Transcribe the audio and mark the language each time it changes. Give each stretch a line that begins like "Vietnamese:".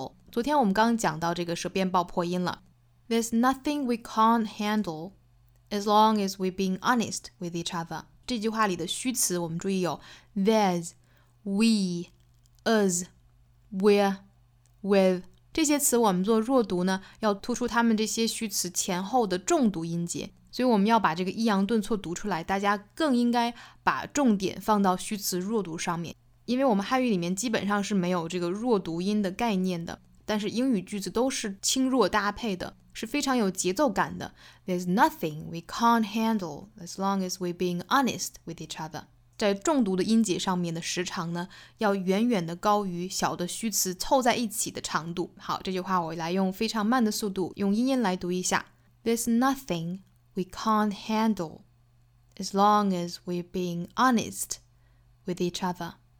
Chinese: 昨天我们刚讲到这个舌边爆破音了。
English: There's nothing we can't handle as long as we're being honest with each other。
Chinese: 这句话里的虚词我们注意有 there's, we, us, we're, with。这些词我们做弱读呢，要突出他们这些虚词前后的重读音节，所以我们要把这个抑扬顿挫读出来，大家更应该把重点放到虚词弱读上面，因为我们汉语里面基本上是没有这个弱读音的概念的，但是英语句子都是轻弱搭配的，是非常有节奏感的。
English: There's nothing we can't handle as long as we're being honest with each other。
Chinese: 在重读的音节上面的时长呢，要远远的高于小的虚词凑在一起的长度。好，这句话我来用非常慢的速度用英音来读一下。
English: There's nothing we can't handle as long as we're being honest with each other.